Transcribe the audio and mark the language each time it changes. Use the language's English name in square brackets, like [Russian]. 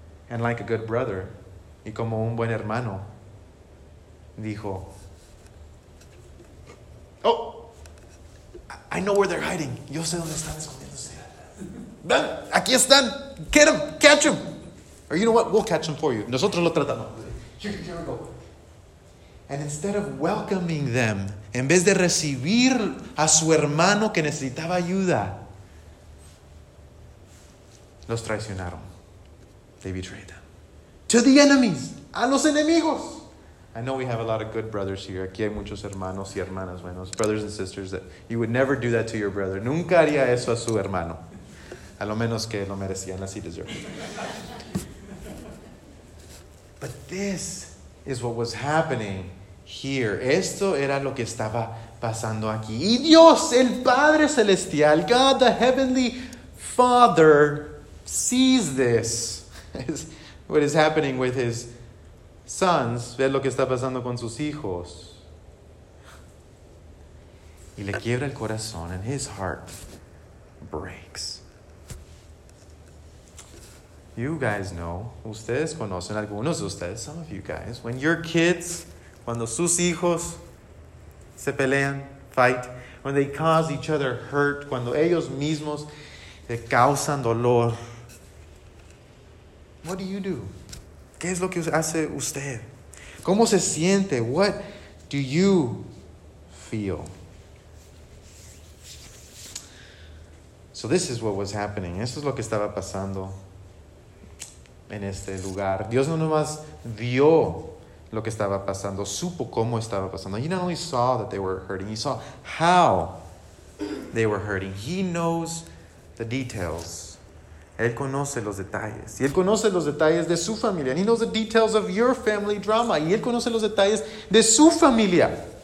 [English] And like a good brother, [Spanish] y como un buen hermano, dijo, [English] oh, I know where they're hiding. [Spanish] Yo sé dónde están escondiéndose. Ven, aquí están. [English] Get them, catch them. Or you know what? We'll catch them for you. [Spanish] Nosotros lo tratamos. [English] Here we go. And instead of welcoming them, [Spanish] en vez de recibir a su hermano que necesitaba ayuda, los traicionaron. [English] They betrayed them. To the enemies. [Spanish] A los enemigos. [English] I know we have a lot of good brothers here. [Spanish] Aquí hay muchos hermanos y hermanas buenos. [English] Brothers and sisters, that you would never do that to your brother. [Spanish] Nunca haría eso a su hermano. A lo menos que lo merecía. [English] Unless he deserved it. But this is what was happening here. [Spanish] Esto era lo que estaba pasando aquí. Y Dios, el Padre Celestial, [English] God, the Heavenly Father, sees this. What is happening with his sons. [Spanish] Ve lo que está pasando con sus hijos. Y le quiebra el corazón, [English] and his heart breaks. [Spanish] You guys know, ustedes conocen, algunos de ustedes, some of you guys, when your kids, cuando sus hijos se pelean, fight, when they cause each other hurt, cuando ellos mismos se causan dolor, [English] what do you do? [Spanish] ¿Qué es lo que hace usted? ¿Cómo se siente? [English] What do you feel? So this is what was happening. [Spanish] Eso es lo que estaba pasando en este lugar. Dios no nomás vio lo que estaba pasando, supo cómo estaba pasando. [English] He not only saw that they were hurting, he saw how they were hurting. He knows the details. [Spanish] Él conoce los detalles. Y él conoce los detalles de su familia. [English] And he knows the details of your family drama. [Spanish] Y él conoce los detalles de su familia.